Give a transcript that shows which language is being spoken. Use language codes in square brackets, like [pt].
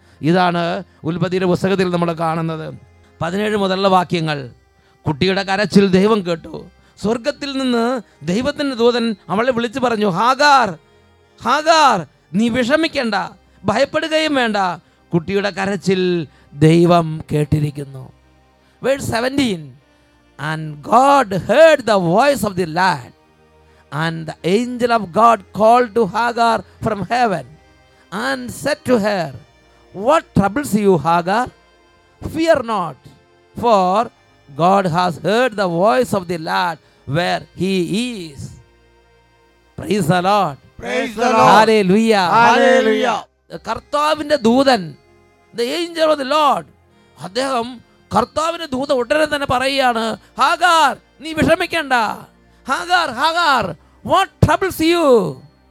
[ml] ഇതാണ് ഉൽപ്പത്തിയുടെ പുസ്തകത്തിൽ നമ്മൾ കാണുന്നത്. 17 വാക്യങ്ങൾ. കുട്ടിയുടെ കരച്ചിൽ ദൈവം കേട്ടു. സ്വർഗത്തിൽ നിന്ന് ദൈവത്തിൻ്റെ ദൂതൻ അവളെ വിളിച്ചു പറഞ്ഞു, ഹാഗാർ ഹാഗാർ, നീ വിഷമിക്കേണ്ട, ഭയപ്പെടുകയും വേണ്ട, കുട്ടിയുടെ കരച്ചിൽ ദൈവം കേട്ടിരിക്കുന്നു. [en] Verse 17. And God heard the voice of the lad, and the angel of God called to Hagar from heaven and said to her, What troubles you, Hagar? Fear not, for God has heard the voice of the lad where he is. Praise the Lord. Praise the Lord. Hallelujah. Hallelujah. [ml] കർത്താവിന്റെ ദൂതൻ, [en] the angel of the Lord, [ml] അദ്ദേഹം കർത്താവിന്റെ ദൂത ഉടനെ തന്നെ പറയുകയാണ്, Hagar നീ വിഷമിക്കണ്ട, Hagar Hagar, [en] what troubles you?